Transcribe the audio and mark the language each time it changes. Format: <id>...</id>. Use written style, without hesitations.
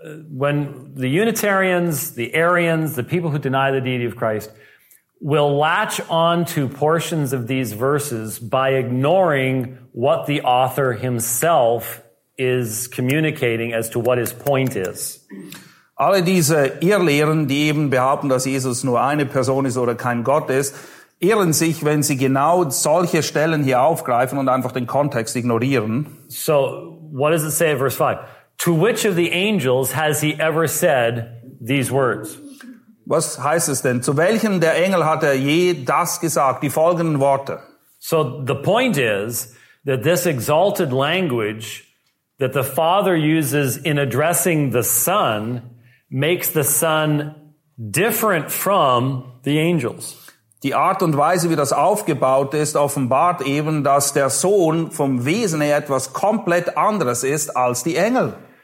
<en>When the Unitarians, the Arians, the people who deny the deity of Christ will latch on to portions of these verses by ignoring what the author himself is communicating as to what his point is.</en> <de>Alle diese Irrlehren, die eben behaupten, dass Jesus nur eine Person ist oder kein Gott ist, irren sich, wenn sie genau solche Stellen hier aufgreifen und einfach den Kontext ignorieren.</de> <en>So, what does it say in verse 5? To which of the angels has he ever said these words?</en> <de>Was heißt es denn? Zu welchem der Engel hat er je das gesagt? Die folgenden Worte.</de> <en>So the point is that this exalted language that the Father uses in addressing the Son makes the Son different from the angels.</en> <de>Die Art und Weise, wie das aufgebaut ist, offenbart eben, dass der Sohn vom Wesen her etwas komplett anderes ist als die Engel.</de>